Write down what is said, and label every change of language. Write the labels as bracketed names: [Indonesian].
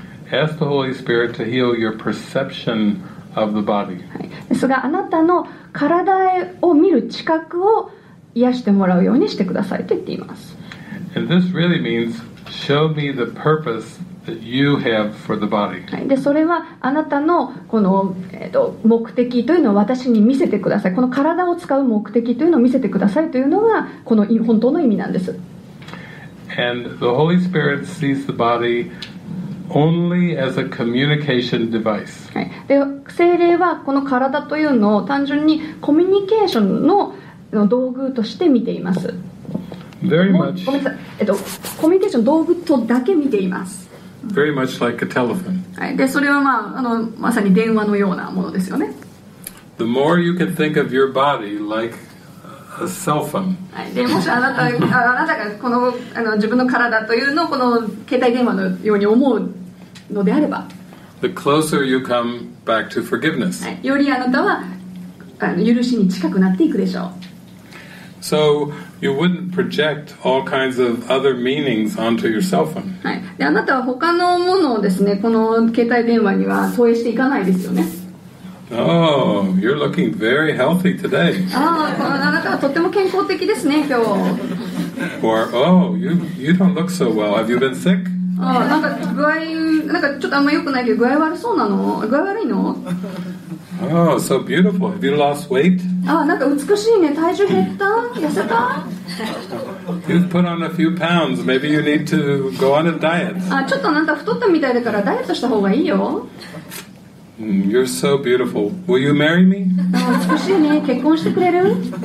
[English] Ask the Holy Spirit to heal your perception of the body. [Japanese] ですが、あなたの体を見る知覚を癒してもらうようにしてくださいと言っています。 [English] And this really means, show me the purpose that you have for the body. [Japanese] で、それはあなたのこの目的というのを私に見せてください。この体を使う目的というのを見せてくださいというのがこの本当の意味なんです。 [English] And the Holy Spirit sees the body. Only as a communication device. [Japanese] で、聖霊はこの体というのを単純にコミュニケーションの道具として見ています。 [English] Very much. [Japanese] ごめんなさい。コミュニケーション道具とだけ見ています。 [English] Very much like a telephone. [Japanese] はい。で、それはまあまさに電話のようなものですよね。 [English] The more you can think of your body like a cell phone. [Japanese] はい。で、もしあなたがこの自分の体というのをこの携帯電話のように思うのであれば、 [English] The closer you come back to forgiveness. [Japanese] はい、よりあなたは許しに近くなっていくでしょう。 [English] So you wouldn't project all kinds of other meanings onto your cell phone. [Japanese] はい、であなたは他のものをですね、この携帯電話には投影していかないですよね。 [English] Oh, you're looking very healthy today. [Japanese] あなたはとても健康的ですね、今日。 [English] Or, oh, you don't look so well. Have you been sick? [Japanese] なんかちょっとあんま良くないけど具合悪いの? [English] Oh, so beautiful. Have you lost weight? [Japanese] なんか美しいね。体重減った?痩せた? [English] You've put on a few pounds. Maybe you need to go on a diet. [Japanese] ちょっとあなた太ったみたいだからダイエットした方がいいよ。 [English] You're so beautiful. Will you marry me? [Japanese] 美しいね。結婚してくれる?